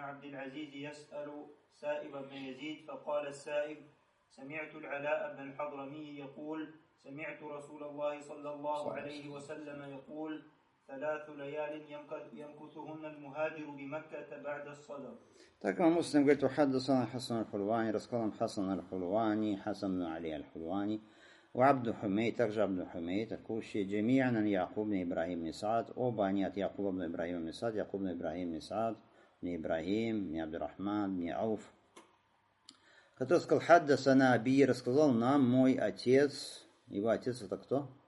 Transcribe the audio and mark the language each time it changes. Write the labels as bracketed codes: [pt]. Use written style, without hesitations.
[ru] Сами Абдул-Аля ибн аль-Хадрами говорит, [ar] سمعت رسول الله صلى الله عليه وسلم يقول ثلاث ليال يمكثهن المهاجر بمكة بعد الصلاة. [ru] Так вам мусульм говорит, [ar] وحدثنا حسن الحلواني, [ru] рассказал нам حسن الحلواني, حسن بن علي الحلواني, وعبد حميد, также عبد حميد, الكوشي, [ar] جميعا عن يعقوب بن إبراهيم بن سعد, [ru] оба они от Якуба ибн Ибрахим ибн Саад, Якуб ибн Ибрахим ибн Саад, не Ибрахим, не Абдурахман, не Ауф, который сказал, [ar] حدثنا أبي, [ru] рассказал нам мой отец, его отец это кто?